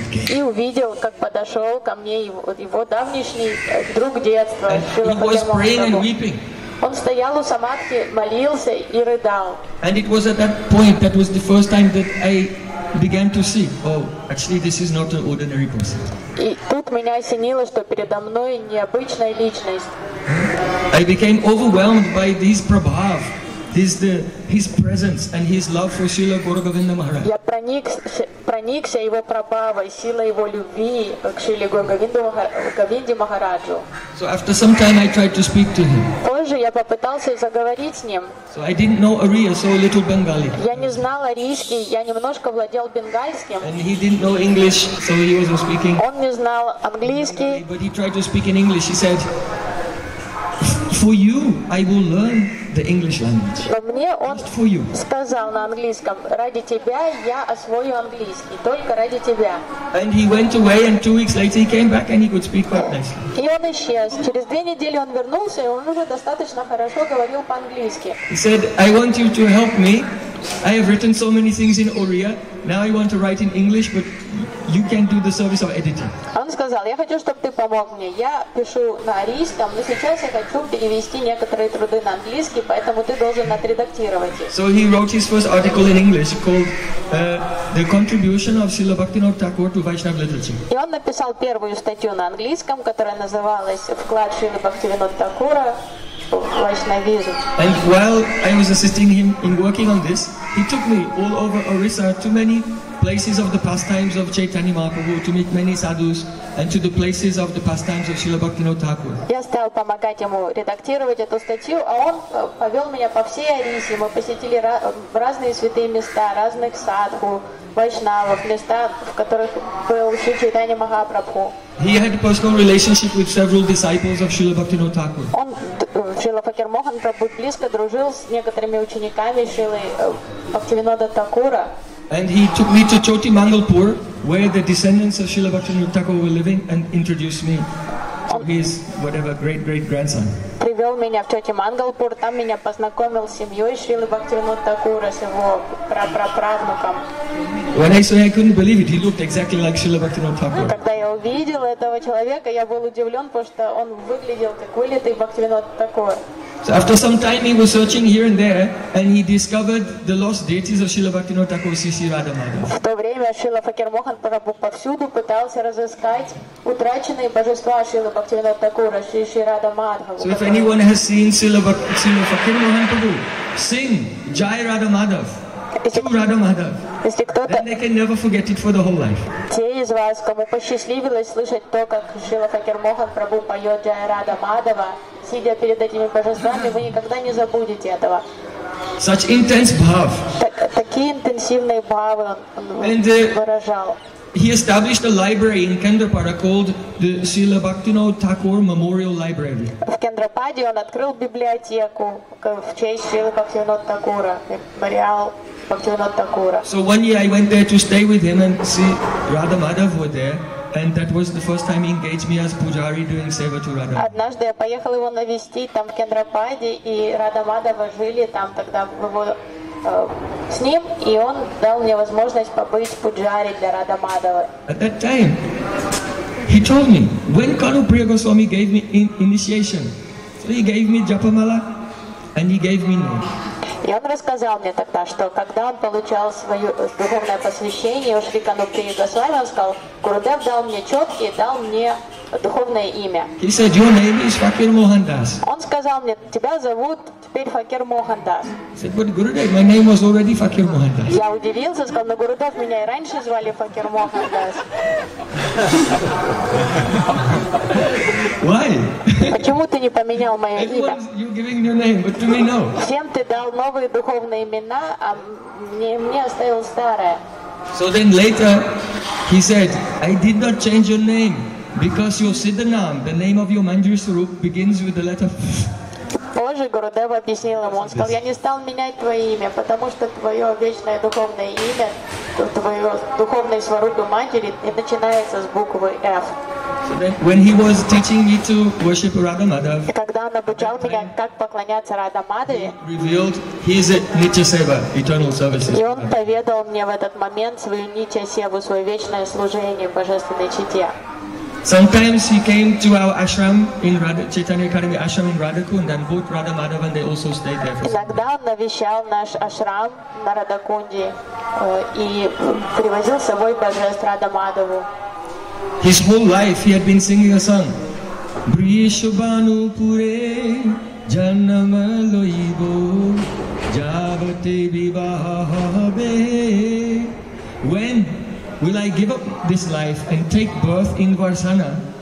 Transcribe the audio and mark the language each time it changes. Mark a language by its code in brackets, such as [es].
[ru] И увидел, как подошел ко мне его давнишний друг детства, Шрила Махараджа. Он стоял у самадхи, молился и рыдал. [en] And it was at that point that was the first time that I began to see, oh, actually this is not an ordinary person. [ru] И тут меня осенило, что передо мной необычная личность. [en] I became overwhelmed by his prabhav, his presence and his love for Srila Gauragovinda Maharaj. [ru] Я проникся его прабхавой, силой его любви к Шриле Гаургавинде Махараджу. [en] So after some time I tried to speak to him. [ru] Позже я попытался заговорить с ним. [en] So I didn't know Ariya, so a little Bengali. [ru] Я не знал арийский, я немножко владел бенгальским. [en] And he didn't know English, so he wasn't speaking. [ru] Он не знал английский. [en] But he tried to speak in English, he said, for you, I will learn the English language. [ru] Но мне он сказал на английском: ради тебя я освою английский, только ради тебя. [en] And he went away, and 2 weeks later he came back, and he could speak quite nicely. [ru] И он исчез. Через 2 недели он вернулся, и он уже достаточно хорошо говорил по-английски. [en] He said, "I want you to help me. I have written so many things in Oriya. Now I want to write in English, but you can do the service of editing." [ru] Он сказал: "Я хочу, чтобы ты помог мне. Я пишу на арийском, но сейчас я хочу перевести некоторые труды на английский, поэтому ты должен отредактировать их." [en] So he wrote his first article in English called "The Contribution of Srila Bhaktivinoda Thakur to Vaishnava Literature." [ru] И он написал первую статью на английском, которая называлась "Вклад Шрилы Бхактивинода Такура". [en] And while I was assisting him in working on this, he took me all over Orissa to many places of the pastimes of Chaitanya Mahaprabhu, to meet many sadhus, and to the places of the pastimes of Srila Bhaktivinoda Thakur. [ru] Я стал помогать ему редактировать эту статью, а он повел меня по всей Орисе. Мы посетили разные святые места, разных садху, вайшнавов, места, в которых был Шри Чайтанья Махапрабху. [en] He had a personal relationship with several disciples of Srila Bhaktivinoda Thakur. [ru] Он, Шрила Факир Мохан Прабху, близко дружил с некоторыми учениками Шрилы Бхактивинода Такура. [en] And he took me to Choti Mangalpur, where the descendants of Srila Bhaktivinoda Thakur were living, and introduced me to his whatever great-great-grandson. [ru] Привел меня в Чоти Мангалпур, там меня познакомил с семьей Шрилы Бхактивинода Такура, с его прапраправнуком. [en] When I saw him, I couldn't believe it. He looked exactly like Srila Bhaktivinoda Thakur. [ru] Когда я увидел этого человека, я был удивлен, потому что он выглядел как вылитый Бхактивинода Такур. [en] So after some time he was searching here and there, and he discovered the lost deities of Srila Bhaktivinoda Thakur, Sisi Radha Madhava. [ru] В то время Шрила Факир Мохан Прабху повсюду пытался разыскать утраченные божества Шрилы Бхактивинода Такура, Сиси Радха Мадхава. [en] So if anyone has seen Srila Факир Мохан Прабху, sing Jai Radha Madhava. [ru] Если кто-то, [en] then they can never forget it for the whole life. [ru] Те из вас, кому посчастливилось слышать то, как Шрила Факир Мохан Прабху поет Джая Радха Мадхава, сидя перед этими божествами, вы никогда не забудете этого. [en] Such intense bhav. [ru] Такие интенсивные бхавы он выражал. [en] He established a library in Kendrapada called the Srila Bhaktivinoda Thakur Memorial Library. [ru] В Кендрападе он открыл библиотеку в честь Шрилы Бхактивинода Такура, мемориал Бхактивинода Такура. [en] So one year I went there to stay with him and see Radha Madhav were there, and that was the first time he engaged me as pujari doing seva to Radha. [ru] Однажды я поехал его навестить там в Кендрападе, и Радха Мадхава жили там тогда в его с ним, и он дал мне возможность побыть пуджари для Радха Мадхава. [en] At that time, he told me, when Kanu Priya Goswami gave me initiation, so he gave me Japamala, and he gave me name. [ru] И он рассказал мне тогда, что когда он получал свое духовное посвящение у Шри Кану Прия Госвами, он сказал, Гурудев дал мне четки и дал мне духовное имя. [en] He said, your name is Fakir Mohandas. [ru] Он сказал мне, тебя зовут теперь Факир Мохандас. [en] He said, but Gurudev, my name was already Fakir Mohandas. [ru] Я удивился, сказал, но Гурудев меня и раньше звали Факир Мохандас. [en] Why? [ru] Почему ты не поменял мое [en] Everyone's, [ru] имя? [en] You're giving your name, but to me, no. [ru] Всем ты дал новые духовные имена, а мне оставил старое. [en] So then later, he said, I did not change your name. Because your Siddhanam, the name of your Manjari Sarup, begins with the letter F. [ru] Позже Гурудев объяснил ему, он сказал, я не стал менять твое имя, потому что твое вечное духовное имя, твое духовное сварупа матери начинается с буквы F. [en] when he was teaching me to worship Radha Madhava, [ru] и когда он обучал меня, как поклоняться Радха Мадхаве, [en] revealed his nitya seva, eternal services. [ru] И он поведал мне в этот момент свою нитья севу, свое вечное служение в божественной чите. [en] Sometimes he came to our ashram in Chaitanya Academy ashram in Radhakund, and both Radha Madhava and they also stayed there. [ru] Иногда он навещал наш ашрам на Радхакунде и привозил с собой божественную Радха Мадхаву. [en] His whole life he had been singing a song. [bn] Brishubanu pure janamaloibo javate vivahabe. [en] When will I give up this life and take birth in Varsana?